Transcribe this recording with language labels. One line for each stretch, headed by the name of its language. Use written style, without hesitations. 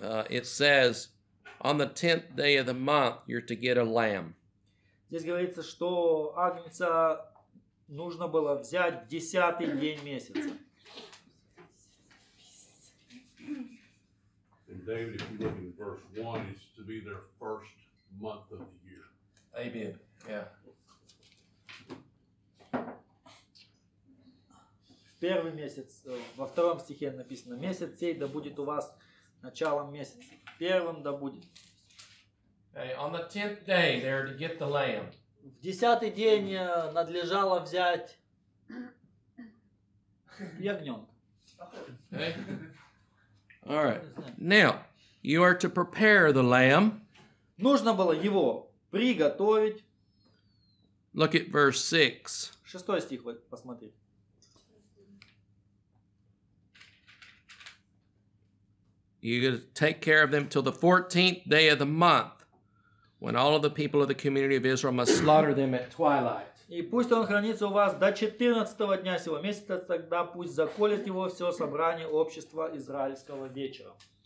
English: It says, on the 10th day of the month, you're to get a lamb.
Russian: Здесь говорится, что Агнца нужно было взять в 10-й день месяца.
English: David, if you look in verse 1, it's to be their first month of the year. Amen. Yeah.
Russian: В первый месяц, во втором стихе написано, месяц сей да будет у вас началом месяца. Первым да будет.
English: Okay, on the 10th day, they're to get the lamb.
Russian: В 10-й день надлежало взять ягненка.
English: Okay. All right. Now, you are to prepare the lamb.
Russian: Нужно было его приготовить.
English: Look at verse 6.
Russian: Шестой стих вот посмотри.
English: You got to take care of them till the 14th day of the month, when all of the people of the community of Israel must slaughter them at twilight.
Russian: И пусть он хранится у вас до 14-го дня сего месяца, тогда пусть заколет его все собрание общества израильского вечером.